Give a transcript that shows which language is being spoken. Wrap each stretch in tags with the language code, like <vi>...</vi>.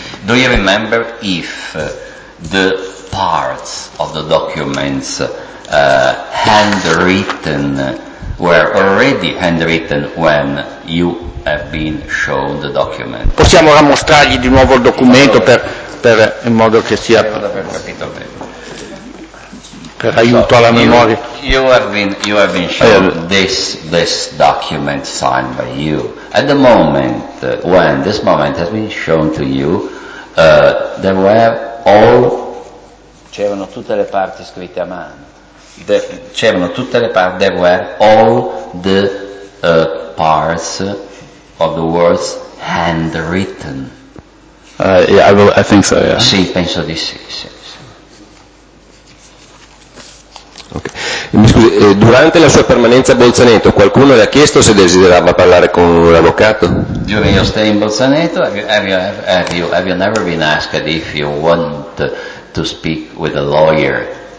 <en>Do you remember if the parts of the documents handwritten were already handwritten when you have been shown the document?</en> <it>Possiamo mostrargli di nuovo il documento per in modo che sia per aiuto alla memoria.</it> <en>You have been shown this document signed by you at the moment when this moment has been shown to you. There were all</en> <it>C'erano tutte le parti scritte a mano. C'erano tutte le parti. There were all the parts of the words handwritten.</it> <en>I think so, yeah.</en> <it>Sì, penso di sì. Sì, sì.</it> <en>Okay.</en> <it>Mi scusi, durante la sua permanenza a Bolzaneto, qualcuno le ha chiesto se desiderava parlare con un avvocato?</it> <en>Do During your stay in Bolzaneto, have you never been asked if you want to speak with a lawyer?</en>